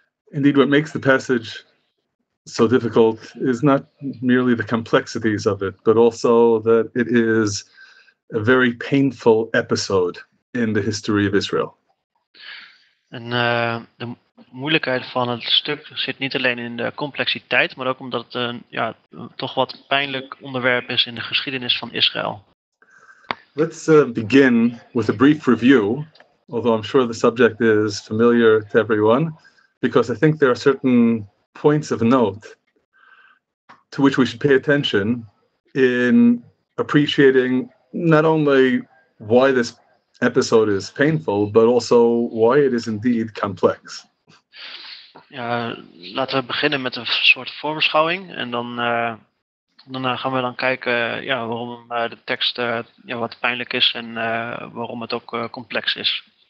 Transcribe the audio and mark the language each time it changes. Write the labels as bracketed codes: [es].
[en] Indeed, what makes the passage so difficult is not merely the complexities of it, but also that it is a very painful episode in the history of Israel. [nl] En de moeilijkheid van het stuk zit niet alleen in de complexiteit, maar ook omdat het toch wat pijnlijk onderwerp is in de geschiedenis van Israël. [en] Let's begin with a brief review, although I'm sure the subject is familiar to everyone, because I think there are certain points of note to which we should pay attention in appreciating not only why this episode is painful, but also why it is indeed complex. [nl] Ja, laten we beginnen met een soort voorbeschouwing en dan gaan we dan kijken waarom de tekst wat pijnlijk is en waarom het ook complex is.